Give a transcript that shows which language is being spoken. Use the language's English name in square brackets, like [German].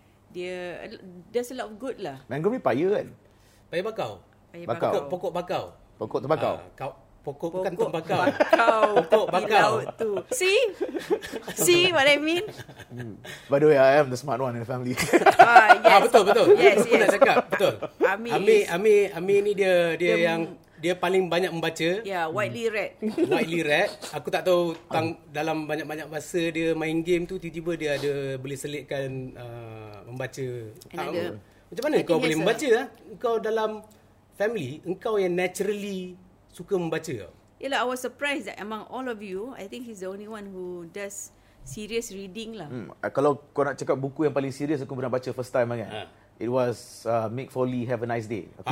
[English] Dia there's a lot of good lah. [Malay] Mangrove ni paya kan? Paya bakau. Paya bakau. Pokok bakau. Pokok tembakau. Pokok bukan tembakau. Pokok bakau tu. [English] See what I mean? By the way, I am the smart one in the family. Yes. [Malay] Betul. [English] Yes. [Malay] Aku nak cakap. Betul. Ami ni dia yang dia paling banyak membaca. [English] Ya, yeah, widely read. Widely read. [Malay] Aku tak tahu dalam banyak-banyak masa dia main game tu, tiba-tiba dia ada boleh selitkan membaca. Macam mana kau boleh membaca? Kau dalam family, engkau yang naturally suka membaca. [English] Yelah, I was surprised that among all of you, I think he's the only one who does serious reading lah. [Malay] Kalau kau nak cakap buku yang paling serious aku pernah baca first time kan? [English] It was Mick Foley, Have a Nice Day.